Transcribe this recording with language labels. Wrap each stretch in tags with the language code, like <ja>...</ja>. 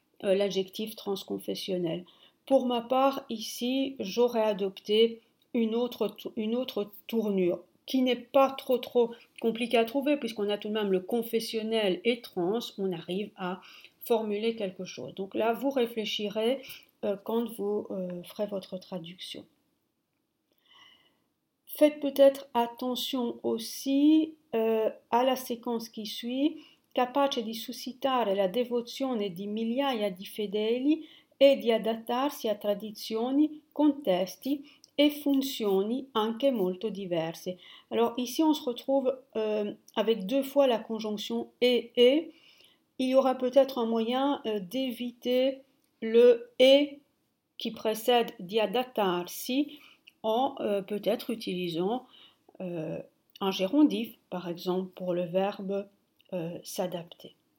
<fr>l'adjectif transconfessionnel. Pour ma part, ici, j'aurais adopté une autre tournure qui n'est pas trop compliquée à trouver, puisqu'on a tout de même le confessionnel et trans, on arrive à formuler quelque chose. Donc là, vous réfléchirez quand vous ferez votre traduction. Faites peut-être attention aussi à la séquence qui suit.</fr> <it>Capace di suscitare la devozione di migliaia di fedeli e di adattarsi a tradizioni, contesti e funzioni anche molto diverse.</it> <fr>Alors ici, on se retrouve avec deux fois la conjonction et. Il y aura peut-être un moyen d'éviter le et qui précède</fr> <it>di adattarsi</it> <fr>en peut-être utilisant un gérondif, par exemple, pour le verbe. S'adapter.</fr>